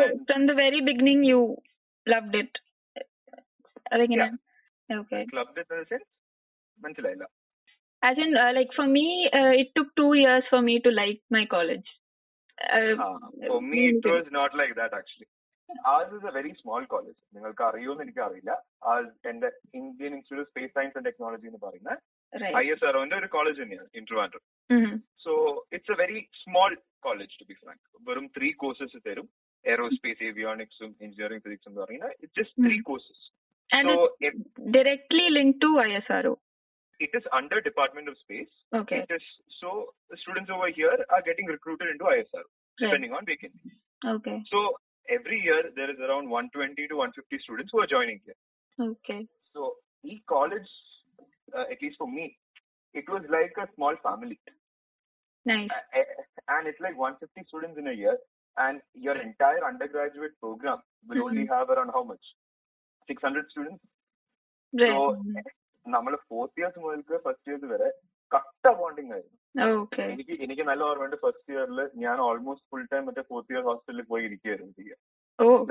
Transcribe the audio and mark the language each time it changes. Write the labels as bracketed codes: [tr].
[en] And from the very beginning you loved it, like, you know. Okay, loved it as in manchilla, as in like, for me it took 2 years for me to like my college. For me it was not like that, actually. Ours is a very small college. [ml] നിങ്ങൾക്ക് അറിയോ എന്ന് എനിക്കറിയില്ല. എന്റെ Indian institute of space science and technology എന്ന് പറയുന്ന I S R ഒന്റെ ഒരു college തന്നെയാണ് ഇൻട്രോവാൻഡ്രോ. [en] So it's a very small college, to be frank. [ml] വെറും 3 കോഴ്സസ് തരും, എയ്റോസ്പേസ്, ഏവിയോണിക്സും എഞ്ചിനീയറിംഗ് ഫിസിക്സ് എന്ന് പറയുന്ന. [en] It's just 3 courses. So directly link to I S R O. It is under department of space. Okay. It is, so students over here are getting recruited into I S R depending on vacancy. Okay. So every year there is around 120 to 150 students who are joining here. Okay, so e college, at least for me, it was like a small family. Nice. And it's like 150 students in a year, And your entire undergraduate program will only have around how much? 600 students? Right. [ml] So, നമ്മള് fourth years മുതൽക്ക് first year വരെ cut അബോണ്ടിങ് ആയിരുന്നു. എനിക്ക് എനിക്ക് നല്ല ഓർമ്മയുണ്ട്, first ഇയറിൽ ഞാൻ ഓൾമോസ്റ്റ് ഫുൾ ടൈം മറ്റേ ഫോർത്ത് ഇയർ ഹോസ്റ്റലിൽ പോയി ഇരിക്കുകയായിരുന്നു ചെയ്യുക.